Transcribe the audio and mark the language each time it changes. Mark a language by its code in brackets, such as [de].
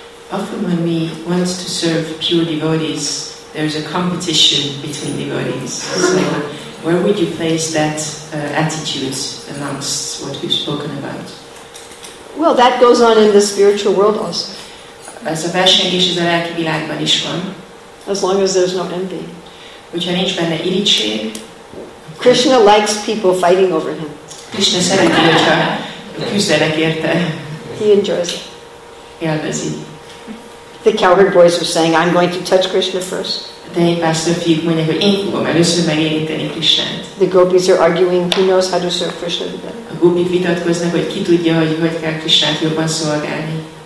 [en] Often when we want to serve pure devotees, there is a competition between devotees. So where would you place that attitude amongst what we've spoken about? Well, that goes on in the spiritual world also. [hu] Ez a versengés a lelki világban is van. [en] As long as there's no envy. [hu] Hogyha nincs benne irigység. [en] Krishna likes people fighting over him. [hu] Krishna szereti, hogyha küzdenek érte. [en] He enjoys it. [hu] Élvezi. [en] The cowherd boys were saying, "I'm going to touch Krishna first." They passed a few when they were in. I'm just imagining Krishna. The gopis are arguing. Who knows how to serve Krishna better? [hu] A gopi vitatkoznak, hogy ki tudja, hogy kell Krishnát jobban szolgálni.